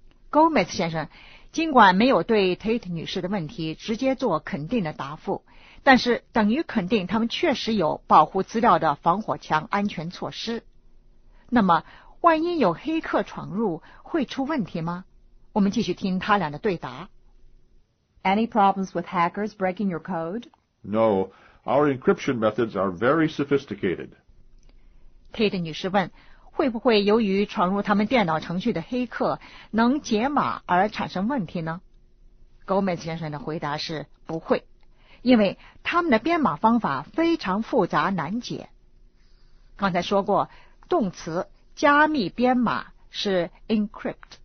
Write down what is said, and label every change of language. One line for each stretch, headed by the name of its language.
Chinese: Gomez 先生尽管没有对 Tate 女士的问题直接做肯定的答复，但是等于肯定他们确实有保护资料的防火墙安全措施。那么万一有黑客闯入会出问题吗？我们继续听他俩的对答。
English: Any problems with hackers breaking your code? No. Our encryption methods are very sophisticated.
Chinese: Tate 女士问，会不会由于闯入他们电脑程序的黑客能解码而产生问题呢？ Gomez 先生的回答是不会，因为他们的编码方法非常复杂难解。刚才说过，动词加密编码是 encrypt。